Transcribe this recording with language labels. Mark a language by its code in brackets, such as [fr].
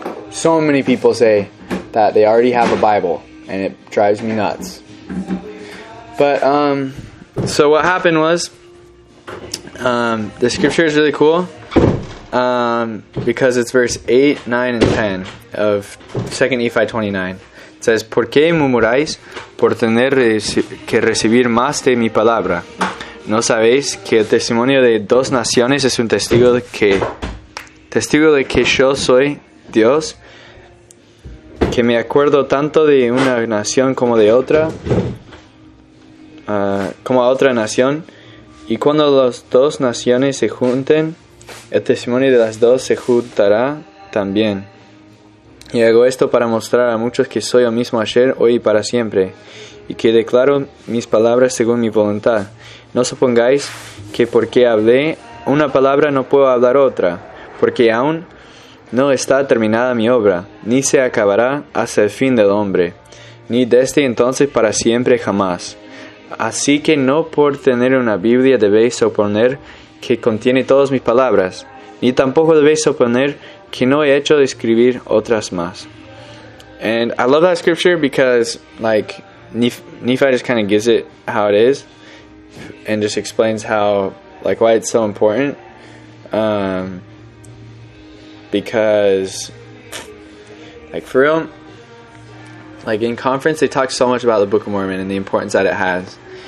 [en] So many people say that they already have a Bible, and it drives me nuts. But, so what happened was, the scripture is really cool because it's verse 8, 9, and 10 of 2 Nephi 29. [es] It says, ¿Por qué murmuráis por tener que recibir más de mi palabra? ¿No sabéis que el testimonio de dos naciones es un testigo de que yo soy Dios? ¿Que me acuerdo tanto de una nación como de otra? ¿Como a otra nación? ¿Y cuando las dos naciones se junten, el testimonio de las dos se juntará también? Y hago esto para mostrar a muchos que soy el mismo ayer, hoy y para siempre, y que declaro mis palabras según mi voluntad. No supongáis que porque hablé una palabra no puedo hablar otra, porque aún no está terminada mi obra, ni se acabará hasta el fin del hombre, ni desde entonces para siempre jamás. Así que no por tener una Biblia debéis suponer que contiene todas mis palabras, ni tampoco debéis suponer que no he hecho de escribir otras más. [en] And I love that scripture because, like, Nephi just kind of gives it how it is and just explains how, like, why it's so important. Because, like, for real, like, in conference, they talk so much about the Book of Mormon and the importance that it has.